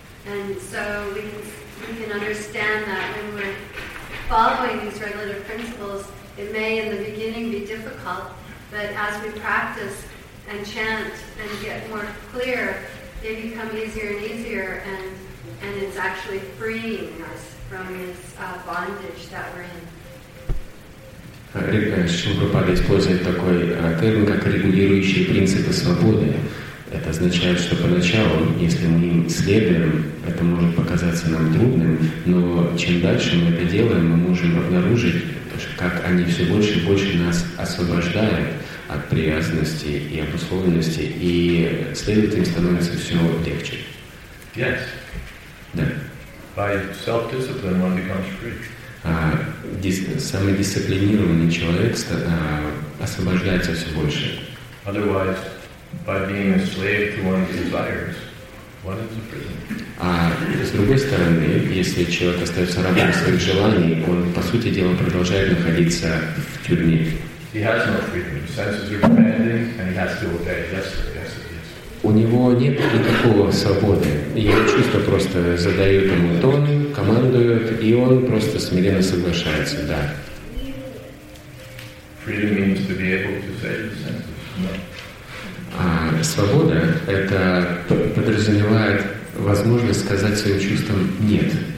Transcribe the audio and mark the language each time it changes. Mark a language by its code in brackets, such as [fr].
[en] And so we can understand that when we're following these regulative principles, it may in the beginning be difficult, but as we practice and chant and get more clear, they become easier and easier, and it's actually freeing us from this bondage that we're in. [ru] Шилпрапада использует такой термин, как регулирующие принципы свободы. Это означает, что поначалу, если мы им следуем, это может показаться нам трудным, но чем дальше мы это делаем, мы можем обнаружить, как они все больше и больше нас освобождают от привязанности и обусловленности, и следовать им становится все легче. [en] Yes. [ru] Да. [en] By self-discipline one becomes free. [ru] Самодисциплинированный человек освобождается все больше. [en] Otherwise, by being a slave to one's desires, one is a prisoner. [ru] А с другой стороны, если человек остается рабом своих желаний, он, по сути дела, продолжает находиться в тюрьме. [en] He has no freedom. His senses are commanding, and he has to obey. Yes, yes, yes. [ru] У него нет никакого свободы. Его чувства просто задают ему тон, командуют, и он просто смиренно соглашается, да. [en] Freedom means to be able to say the senses. No. [ru] А свобода — это подразумевает возможность сказать своим чувствам «нет».